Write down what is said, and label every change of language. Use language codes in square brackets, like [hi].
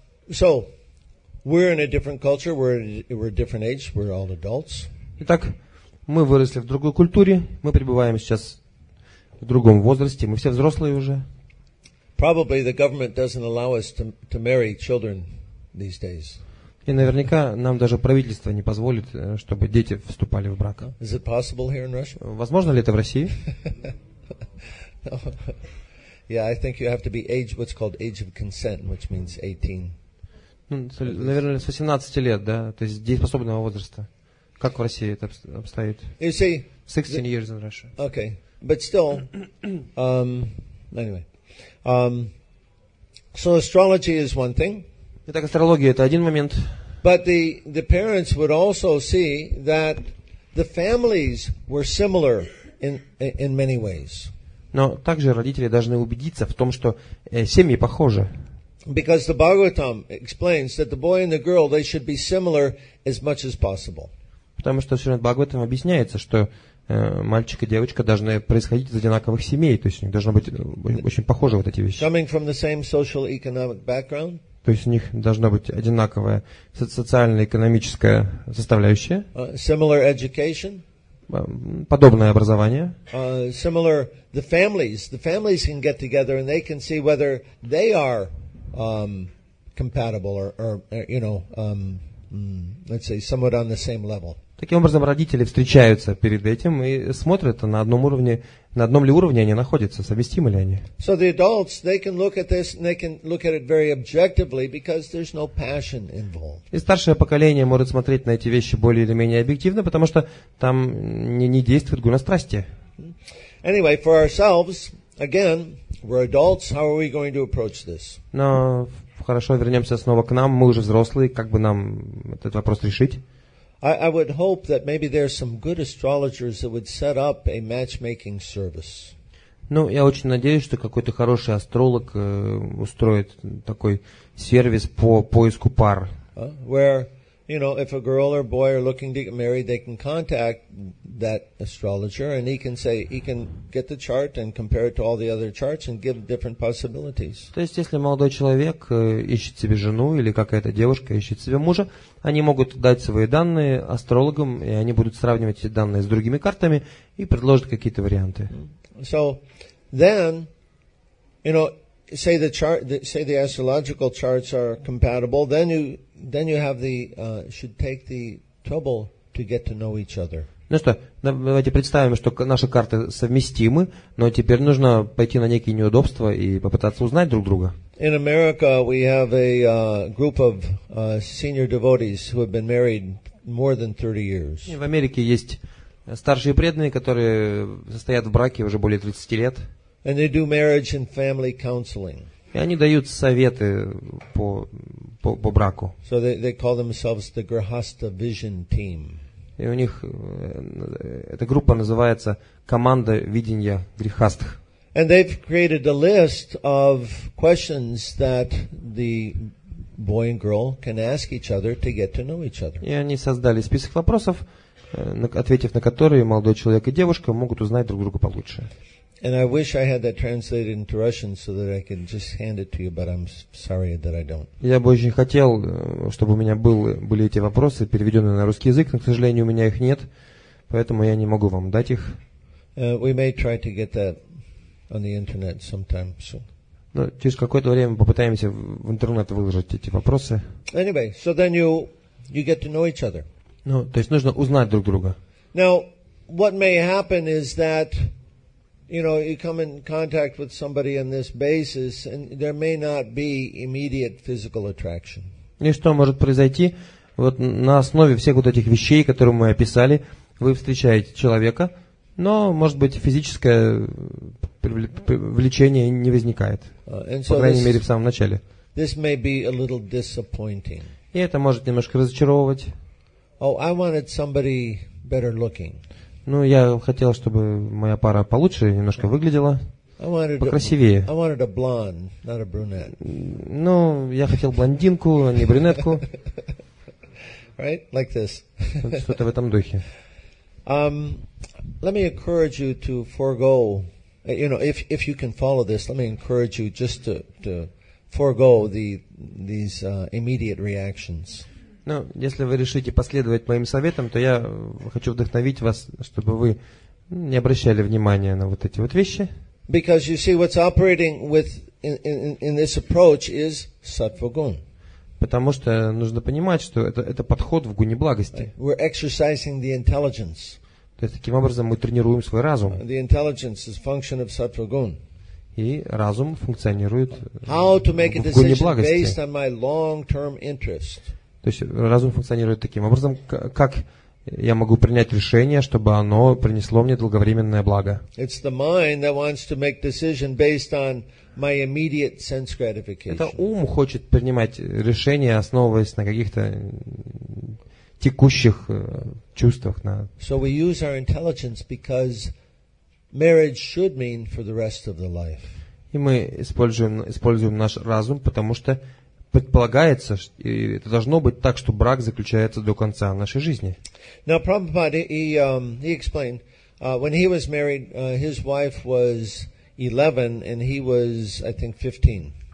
[en] So, we're in a different culture. We're a different age. We're all adults. [ru] Итак, мы выросли в другой культуре. Мы пребываем сейчас в другом возрасте, мы все взрослые уже. [en] Probably the government doesn't allow us to marry children these days. [ru] И наверняка нам даже правительство не позволит, чтобы дети вступали в брак. [en] Is it possible here in Russia? [ru] Возможно ли это в России? [en] Yeah, I think you have to be age, what's called age of consent, which means 18. [ru] Ну, наверное, с 18 лет, да, то есть дееспособного возраста. Как в России это обстоит? [en] You see, 16 years in Russia. Okay. But still, anyway. So astrology is one thing. [ru] Итак, астрология это один момент. [en] But the parents would also see that the families were similar in many ways. [ru] Но также родители должны убедиться в том, что семьи похожи. [en] Because the Bhagavatam explains that the boy and the girl they should be similar as much as possible. [ru] Потому что Шримад Бхагаватам объясняется, что мальчик и девочка должны происходить из одинаковых семей, то есть у них должно быть очень похоже вот эти вещи. [en] Coming from the same social-economic background. [ru] То есть у них должна быть одинаковая социально-экономическая составляющая. [en] Similar education. [ru] Подобное образование. [en] Similar the families. The families can get together and they can see whether they are compatible or you know, let's say somewhat on the same level. [ru] Таким образом, родители встречаются перед этим и смотрят, на одном уровне, на одном ли уровне они находятся, совместимы ли они. [en] So the adults, they can look at this, they can look at it very objectively, because there's no passion involved. [ru] И старшее поколение может смотреть на эти вещи более или менее объективно, потому что там не действует гуна страсти. [en] Anyway, for ourselves, again, we're adults, how are we going to approach this? [ru] Но хорошо, вернемся снова к нам, мы уже взрослые, как бы нам этот вопрос решить? [en] I would hope that maybe there are some good astrologers that would set up a matchmaking service. [ru] Ну, я очень надеюсь, что какой-то хороший астролог устроит такой сервис по поиску пар. [en] Where, you know, if a girl or boy are looking to get married, they can contact that astrologer and he can say, he can get the chart and compare it to all the other charts and give different possibilities. [ru] То есть, если молодой человек ищет себе жену или какая-то девушка ищет себе мужа, они могут дать свои данные астрологам, и они будут сравнивать эти данные с другими картами и предложат какие-то варианты. [en] So, then, you know, say the chart, say the astrological charts are compatible, then you have the should take the trouble to get to know each other. [ru] Ну что, давайте представим, что наши карты совместимы, но теперь нужно пойти на некие неудобства и попытаться узнать друг друга. [en] In America we have a group of senior devotees who have been married more than 30 years. [ru] В Америке есть старшие преданные, которые состоят в браке уже более 30 лет. [en] And they do marriage and family counseling. [ru] И они дают советы по браку. [en] So they call themselves the Grihastha Vision Team. [ru] И у них эта группа называется «Команда видения грехастх». [en] And they've created a list of questions that the boy and girl can ask each other to get to know each other. [ru] И они создали список вопросов, ответив на которые молодой человек и девушка могут узнать друг друга получше. [en] And I wish I had that translated into Russian so that I could just hand it to you, but I'm sorry that I don't. [ru] Я бы очень хотел, чтобы у меня были эти вопросы переведены на русский язык, но, к сожалению, у меня их нет, поэтому я не могу вам дать их. [en] We may try to get that on the internet sometime soon. [ru] Но через какое-то время мы попытаемся в интернет выложить эти вопросы. [en] Anyway, so then you get to know each other. [ru] Ну, то есть нужно узнать друг друга. [en] Now, what may happen is that you know, you come in contact with somebody on this basis, and there may not be immediate physical attraction. [ru] И что может произойти? Вот на основе всех вот этих вещей, которые мы описали, вы встречаете человека, но, может быть, физическое влечение не возникает. По крайней мере, в самом начале. [en] This may be a little disappointing. [ru] И это может немножко разочаровывать. [en] Oh, I wanted somebody better looking. [ru] Ну, я хотел, чтобы моя пара получше немножко выглядела, покрасивее. [en] I wanted a blonde, not a brunette. [ru] Ну, я хотел блондинку, а не брюнетку. [en] Right? Like this. [ru] Что-то в этом духе. [en] Let me encourage you to forego, you know, if you can follow this, let me encourage you just to forego these immediate reactions. [ru] Ну, если вы решите последовать моим советам, то я хочу вдохновить вас, чтобы вы не обращали внимания на вот эти вот вещи. [en] Because you see, what's operating with in this approach is sattva-gun. [ru] Потому что нужно понимать, что это подход в гуне благости. [en] We're exercising the intelligence. [ru] То есть таким образом мы тренируем свой разум. [en] The intelligence is function of sattva-gun. [ru] И разум функционирует в гуне благости. [en] How to make a decision based on my long-term interest. [ru] То есть разум функционирует таким образом, как я могу принять решение, чтобы оно принесло мне долговременное благо. Это ум хочет принимать решение, основываясь на каких-то текущих чувствах. [en] So we use our intelligence because marriage should mean for the rest of the life. [ru] И мы используем наш разум, потому что предполагается, и это должно быть так, что брак заключается до конца нашей жизни. [en] Now, Prabhupada, he explained, when he was married, his wife was 11, and he was, I think, 15.